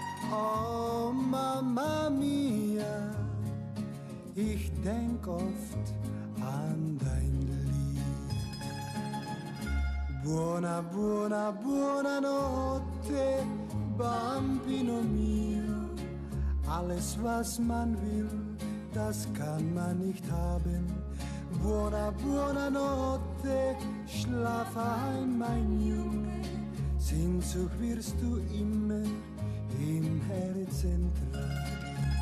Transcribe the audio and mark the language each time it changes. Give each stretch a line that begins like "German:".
German: Oh, Mama Mia, ich denk oft an dein Lied.
Italian: Buona, buona, buona notte, Bambino mio.
German: Alles, was man will, das kann man nicht haben.
Italian: Buona, buona notte,
German: schlaf ein, mein Junge. Sehnsucht wirst du immer im Herzen tragen.